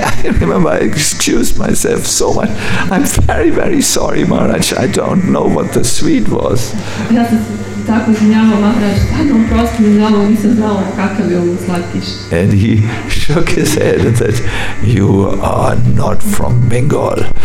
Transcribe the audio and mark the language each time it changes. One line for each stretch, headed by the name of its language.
English: I remember I excused myself so much. I'm very, very sorry, Maharaj. I don't know what the sweet was.
Bosnian: Ja sam se tako izvinjavao, Maharaj, tako prosto mi znao, nisam znao kakav je ovo slatkiš.
English: And he shook his head and said, you are not from Bengal.